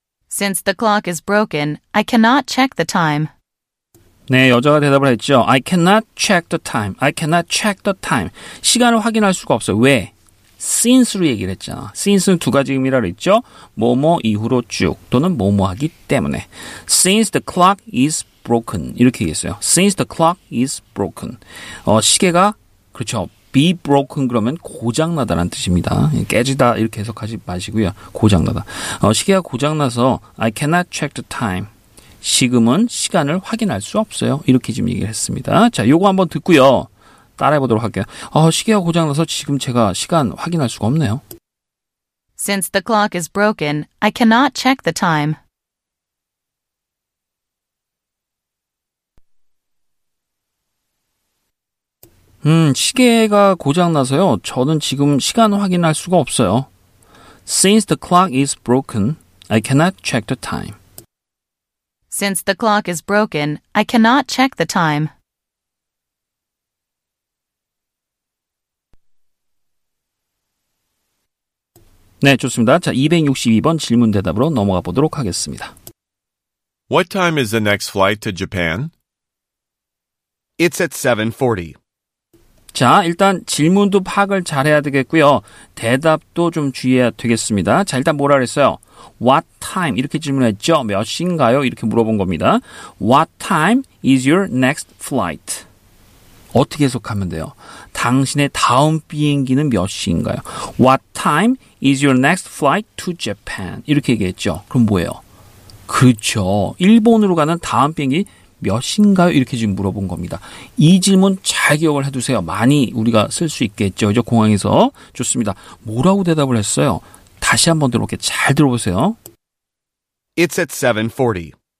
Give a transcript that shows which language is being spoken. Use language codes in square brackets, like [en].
[en] Since the clock is broken, I cannot check the time. [ko] 네, 여자가 대답을 했죠. [en] I cannot check the time. I cannot check the time. [ko] 시간을 확인할 수가 없어요. 왜? Since로 얘기를 했잖아. Since는 두 가지 의미라고 했죠. 뭐뭐 이후로 쭉 또는 뭐뭐 하기 때문에. Since the clock is broken. 이렇게 얘기했어요. Since the clock is broken. 시계가 그렇죠. Be broken 그러면 고장나다라는 뜻입니다. 깨지다 이렇게 해석하지 마시고요. 고장나다. 시계가 고장나서 [en] I cannot check the time. [ko] 지금은 시간을 확인할 수 없어요. 이렇게 지금 얘기를 했습니다. 자, 요거 한번 듣고요. 따라해보도록 할게요. 시계가 고장나서 지금 제가 시간 확인할 수가 없네요. [en] Since the clock is broken, I cannot check the time. [ko] 시계가 고장나서요. 저는 지금 시간 확인할 수가 없어요. [en] Since the clock is broken, I cannot check the time. Since the clock is broken, I cannot check the time. [ko] 네, 좋습니다. 자, 262번 질문 대답으로 넘어가 보도록 하겠습니다. [en] What time is the next flight to Japan? It's at 7:40. [ko] 자, 일단 질문도 파악을 잘해야 되겠고요. 대답도 좀 주의해야 되겠습니다. 자, 일단 뭐라 그랬어요? [en] What time? [ko] 이렇게 질문했죠. 몇 시인가요? 이렇게 물어본 겁니다. [en] What time is your next flight? [ko] 어떻게 해석하면 돼요? 당신의 다음 비행기는 몇 시인가요? [en] What time is your next flight to Japan? [ko] 이렇게 얘기했죠. 그럼 뭐예요? 그렇죠. 일본으로 가는 다음 비행기 몇 시인가요? 이렇게 지금 물어본 겁니다. 이 질문 잘 기억을 해두세요. 많이 우리가 쓸 수 있겠죠. 이제 공항에서. 좋습니다. 뭐라고 대답을 했어요? 다시 한번 들어볼게. 잘 들어보세요. [en] It's at 7:40.